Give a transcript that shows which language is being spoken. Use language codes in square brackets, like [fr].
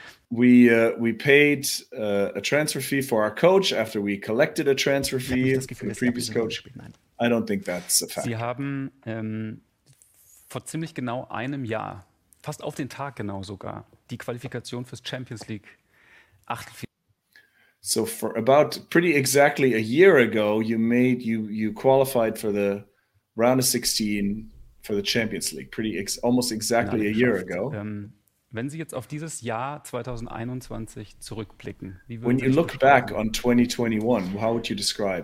[en] We paid a transfer fee for our coach after we collected a transfer fee from the previous coach. I don't think that's a fact. [de] Sie haben vor ziemlich genau einem Jahr, fast auf den Tag genau sogar, die Qualifikation fürs Champions League Achtelfinale. [en] So for about pretty exactly a year ago, you qualified for the round of 16 for the Champions League. Almost exactly a year ago. [de] Wenn Sie jetzt auf dieses Jahr 2021 zurückblicken, wie [en] when you look back on 2021, how would you describe